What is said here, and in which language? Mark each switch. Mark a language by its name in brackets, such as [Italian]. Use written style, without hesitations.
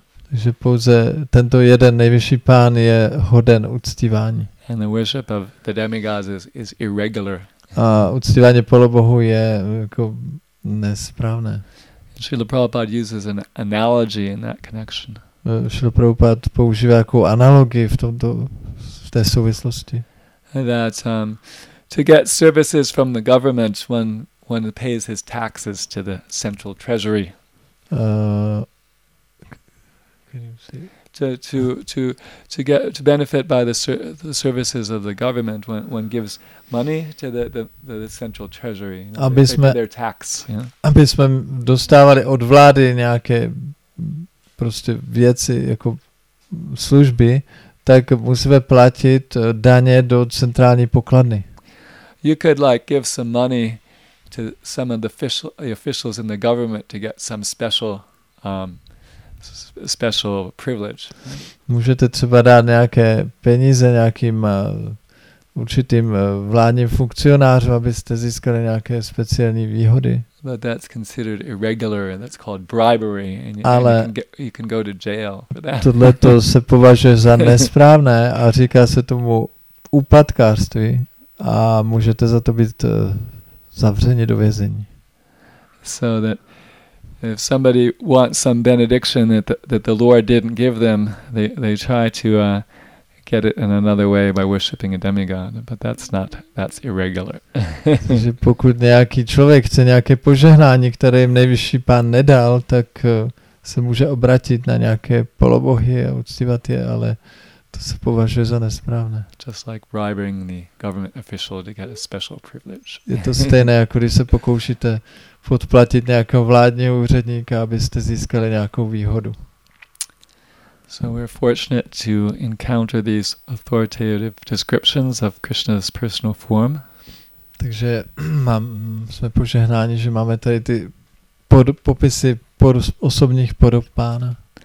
[Czech] Takže pouze tento jeden nejvyšší pán je hoden uctívání. [English] And the worship of the demigods is irregular. [Czech] A uctívání polobohu je jako nesprávné. [English] Srila Prabhupada uses an analogy in that connection. [Czech] Srila Prabhupada používá jako analogii v té souvislosti. [English] That to get services from the government when one pays his taxes to the central treasury. Can you see? To benefit by the services of the government when one gives money to the central treasury, [Czech] aby jsme, [English] their tax, yeah? [Czech] Aby jsme dostávali od vlády nějaké prostě věci jako služby, tak musíme platit daně do centrální pokladny. [English] You could like give some money to some of the officials in the government to get some special special privilege. [Czech] Můžete třeba dát nějaké peníze nějakým určitým vládním funkcionářům, abyste získali nějaké speciální výhody. [English] But that's considered irregular and that's called bribery and you can go to jail for that. [Czech] Tohle to se považuje za nesprávné a říká se tomu úpadkářství a můžete za to být zavřeni do vězení. [English] So that if somebody wants some benediction that the Lord didn't give them, they try to get it in another way by worshiping a demigod, but that's irregular. [Czech] Že pokud nějaký člověk chce nějaké požehnání, které jim nejvyšší pán nedal, tak se může obrátit na nějaké polobohy a uctívat je, ale to se považuje za nesprávné. [English] Just like bribing the government official to get a special privilege. [Czech] Je to stejné, jako když se pokoušíte podplatit nějakého vládního úředníka, abyste získali nějakou výhodu. [English] So we're fortunate to encounter these authoritative descriptions of Krishna's personal form. [Czech] Takže jsme požehnáni, že máme tady ty popisy osobních podob pána.